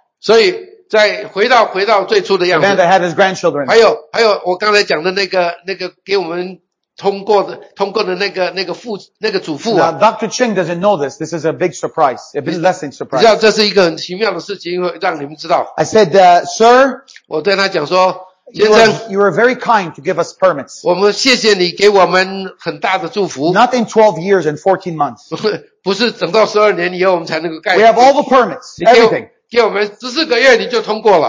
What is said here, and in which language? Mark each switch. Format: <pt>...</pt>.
<zh>所以再回到最初的样子。</zh> <en>The man that had his grandchildren.</en> <zh>还有我刚才讲的那个给我们通过的那个祖父啊。</zh> <en>Now, Dr. Ching doesn't know this. This is a big surprise. A blessing surprise.</en> <zh>你知道这是一个很奇妙的事情，让你们知道。</zh> <en>I said, sir.</en> <zh>我对他讲说,</zh> <en>you were very kind to give us permits.</en> <zh>我们谢谢你给我们很大的祝福。</zh> <en>Not in 12 years and 14 months.</en> <zh>不是等到12年以后我们才能够盖。</zh> <en>We have all the permits. Everything.</en> <zh>给我们14个月你就通过了。</zh>